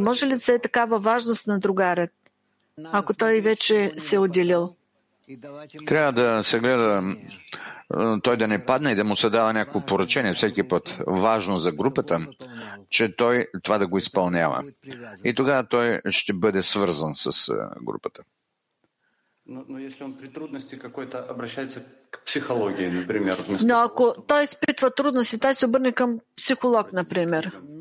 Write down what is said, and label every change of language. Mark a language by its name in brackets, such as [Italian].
[Bulgarian] Може ли да се е такава важност на другаря, ако той вече се е отделил? Трябва да се гледа той да не падне и да му се дава някакво поръчение всеки път, важно за групата, че той това да го изпълнява. И тогава той ще бъде свързан с групата. [Russian] Но если он при трудности какой-то обращается к психологии, например, вместо... [Bulgarian] Но ако той изпитва трудности, той се обърне към психолог, например.